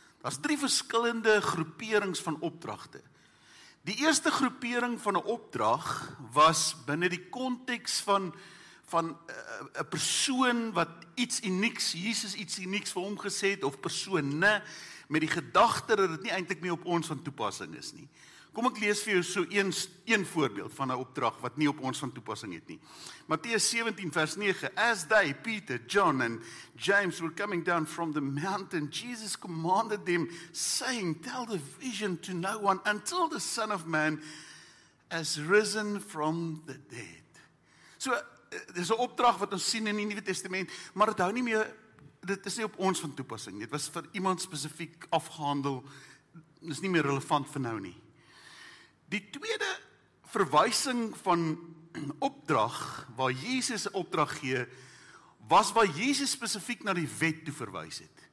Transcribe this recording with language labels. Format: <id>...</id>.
<af>Daar's drie verskillende groeperings van opdragte. Die eerste groepering van 'n opdrag was binne die konteks van 'n persoon wat iets unieks, Jesus iets unieks vir hom gesê het, of persone met die gedagte dat dit nie eintlik meer op ons van toepassing is nie. Kom ek lees vir jou so een voorbeeld van 'n opdrag wat nie op ons van toepassing het nie.</af> <en>Matteus 17 vers 9, as they, Peter, John and James were coming down from the mountain, Jesus commanded them saying, tell the vision to no one until the Son of Man has risen from the dead.</en> <af>So, dit is 'n opdrag wat ons sien in die Nuwe Testament, maar dit hou nie meer, dit is nie op ons van toepassing. Dit was vir iemand spesifiek afgehandel, dit is nie meer relevant vir nou nie. Die tweede verwysing van opdrag, waar Jesus opdrag gee, was waar Jesus spesifiek na die wet toe verwys het.</af>